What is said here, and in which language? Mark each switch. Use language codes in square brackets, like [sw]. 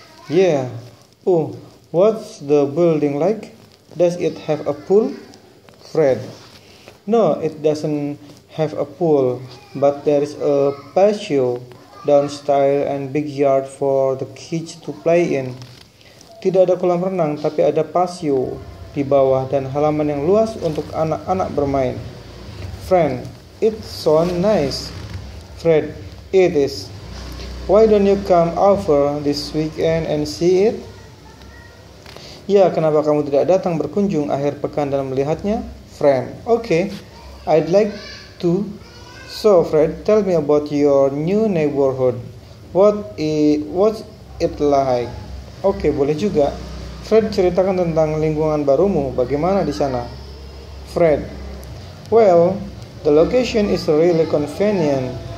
[en] Yeah. Oh, what's the building like? Does it have a pool? Fred. No, it doesn't have a pool, but there's a patio downstairs and big yard for the kids to play in. [id] Tidak ada kolam renang, tapi ada patio di bawah dan halaman yang luas untuk anak-anak bermain. [en] Friend. It's so nice. Fred, it is. Why don't you come over this weekend and see it? [id] Ya, kenapa kamu tidak datang berkunjung akhir pekan dan melihatnya? [en] Friend, okay, I'd like to. So, Fred, tell me about your new neighborhood. What's it like? [id] Okay, boleh juga. Fred, ceritakan tentang lingkungan barumu. Bagaimana di sana? [en] Fred, well, the location is really convenient.